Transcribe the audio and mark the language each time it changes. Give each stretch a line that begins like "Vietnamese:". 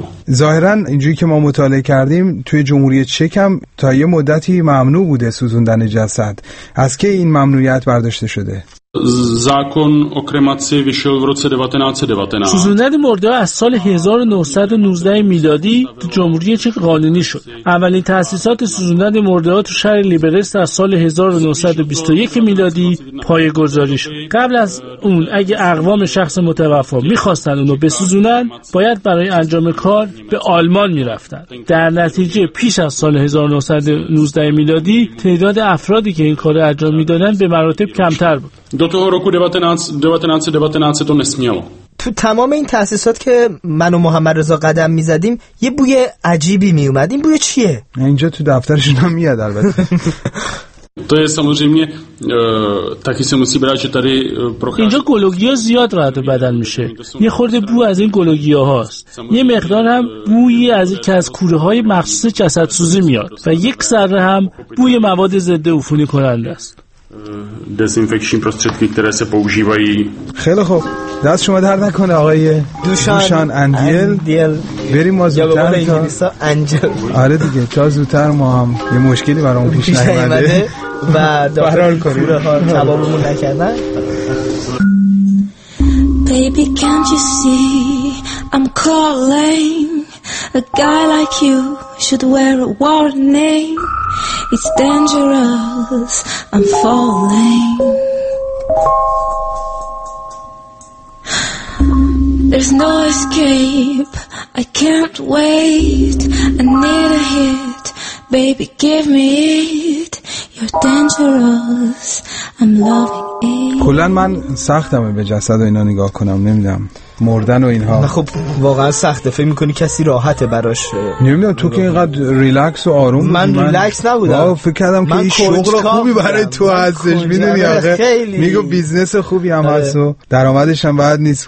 Persian: ظاهرا اینجوری که ما مطالعه کردیم توی جمهوری چک هم تا یه مدتی ممنوع بوده سوزوندن جسد. از کی این ممنوعیت برداشته شده؟
Czech: Zákon o kremaci vyšel v roce 1919.
Persian: سوزوندن مرده از سال 1919 میلادی تو جمهوری چک قانونی شد. اولین تأسیسات سوزوندن مرده ها تو شهر لیبرست از سال 1921 میلادی پایه‌گذاری شد. قبل از اون اگه اقوام شخص متوفا میخواستن اونو بسوزونن، باید برای انجام کار به آلمان میرفتن. در نتیجه پیش از سال 1919 میلادی تعداد افرادی که این کار انجام میدادن به مراتب کمتر بود.
Czech: Do toho roku 1919 to nesmělo.
Persian: تو تمام این تأسیسات که من و محمد رضا قدم می‌زدیم یه بوی عجیبی میومد. این بوی چیه؟ اینجا تو دفترشون هم میاد البته.
Czech: To je samozřejmě taky se musí brát, že tady prochází.
Persian: اینجا گلوگیا زیاد رد و بدل میشه. یه خورده بو از این گلوگیاهاست. یه مقدار هم بویی از که از کوره‌های مخصوص جسدسوزی میاد و یک ذره هم بوی مواد ضد عفونی کننده است.
Czech: دزینفکشن prostředky, které se používají.
Persian: خیلی خوب. دست شما درد نکنه آقای دوشان اندیل. بریم زودتر. یا بابا انگلیسا انجل. آره دیگه، تا زودتر ما هم یه مشکلی برامون پیش نیومده و داخل کوره ها تبابمون نکردن.
English: Baby can't you see I'm calling a guy like you should wear a warning. It's dangerous, I'm falling. There's no escape, I can't wait. I need a hit, baby give me it. You're dangerous, I'm loving it.
Persian: کلن من سختمه به جسد و اینا نگاه کنم، نمیدم مردن و اینها. خب واقعا سخته، فکر میکنی کسی راحته براش؟ نمیدونم، تو که اینقدر ریلکس و آروم. من ریلکس نبودم، فکر کردم که این شغل خوبی برای تو هستش. میدونی آخه میگو بیزنس خوبی هم هست و درآمدش هم بد نیست.